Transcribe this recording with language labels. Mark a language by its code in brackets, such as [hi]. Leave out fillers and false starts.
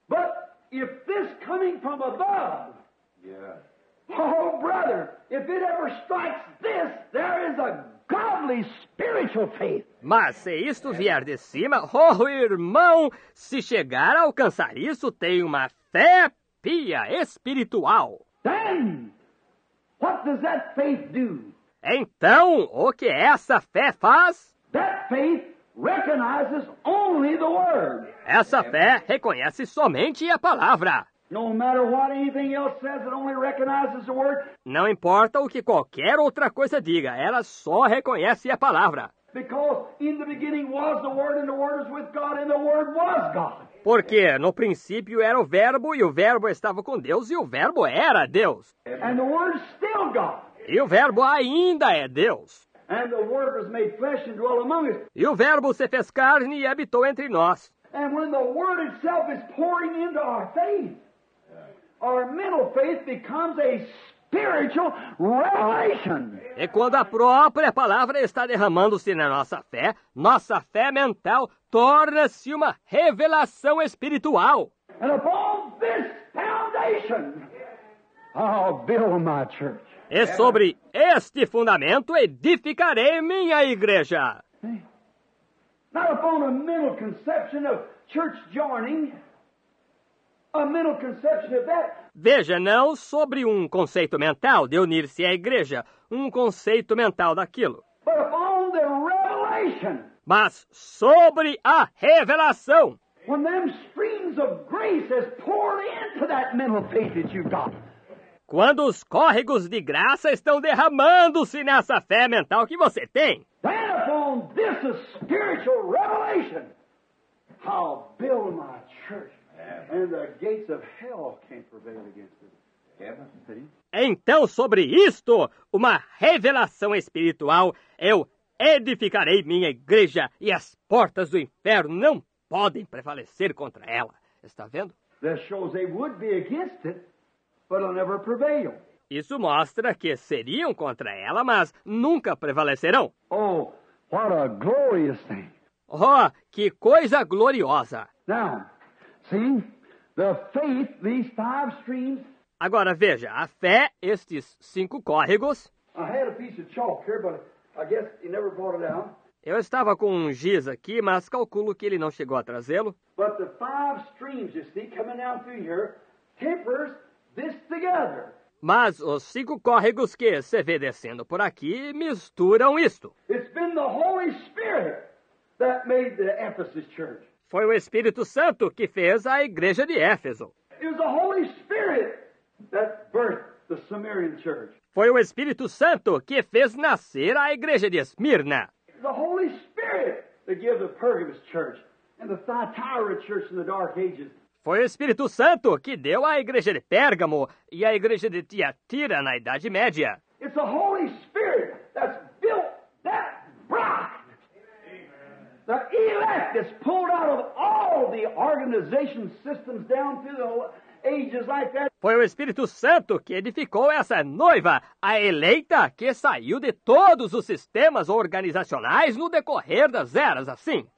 [en] But if this coming from above, yeah. Oh brother, if it ever strikes this, there is a godly spiritual faith. [pt] Mas se isto vier de cima, oh irmão, se chegar a alcançar isso, tem uma fé pia espiritual. [en] Then, what does that faith do? [pt] Então, o que essa fé faz? [en] That faith recognizes only the word. [pt] Essa fé reconhece somente a palavra. [en] No matter what anything else says, it only recognizes the word. [pt] Não importa o que qualquer outra coisa diga, ela só reconhece a palavra. [en] Because in the beginning was the word, and the word was with God, and the word was God. [pt] Porque no princípio era o verbo estava com Deus, e o verbo era Deus. [en] And the word is still God. [pt] E o verbo ainda é Deus. [en] And the word was made flesh and dwelt among us. [pt] E o verbo se fez carne e habitou entre nós. [en] And when the word itself is pouring into our faith, our mental faith becomes a spiritual revelation. [pt] E quando a própria palavra está derramando-se na nossa fé mental torna-se uma revelação espiritual. [en] And upon this foundation, I'll build my church. [pt] E sobre este fundamento edificarei minha igreja. [en] Not upon a mental conception of church joining, a mental conception of that. [pt] Veja, não sobre um conceito mental de unir-se à igreja, um conceito mental daquilo. [en] But upon the revelation. [pt] Mas sobre a revelação. [en] When them streams of grace has poured into that mental faith that you've got. [pt] Quando os córregos de graça estão derramando-se nessa fé mental que você tem. [en] Then upon this spiritual revelation, I'll build my church, and the gates of hell can't prevail against it. [pt] Então, sobre isto, uma revelação espiritual, eu edificarei minha igreja, e as portas do inferno não podem prevalecer contra ela. Está vendo? [en] That shows they would be against it. But it'll never prevail. [pt] Isso mostra que seriam contra ela, mas nunca prevalecerão. [en] Oh, what a glorious thing. [pt] Oh, que coisa gloriosa. [en] Now, see, the faith, these five streams. [pt] Agora veja, a fé, estes cinco córregos. [en] I had a piece of chalk here, but I guess he never brought it out. [pt] Eu estava com um giz aqui, mas calculo que ele não chegou a trazê-lo. [en] But the five streams you see coming out through here tempers this together. [pt] Mas os cinco córregos que você vê descendo por aqui misturam isto. [en] It's been the Holy Spirit that made the Ephesus church. [pt] Foi o Espírito Santo que fez a igreja de Éfeso. [en] It was the Holy Spirit that birthed the Samaritan church. [pt] Foi o Espírito Santo que fez nascer a igreja de Esmirna. [en] The Holy Spirit that gave the Pergamus church and the Thyatira church in the Dark Ages. [pt] Foi o Espírito Santo que deu à igreja de Pérgamo e à igreja de Tiatira na Idade Média. [en] It's the Holy Spirit that's built that bride. Amen. The elect is pulled out of all the organization systems down through the ages like that. [pt] Foi o Espírito Santo que edificou essa noiva, a eleita que saiu de todos os sistemas organizacionais no decorrer das eras, assim.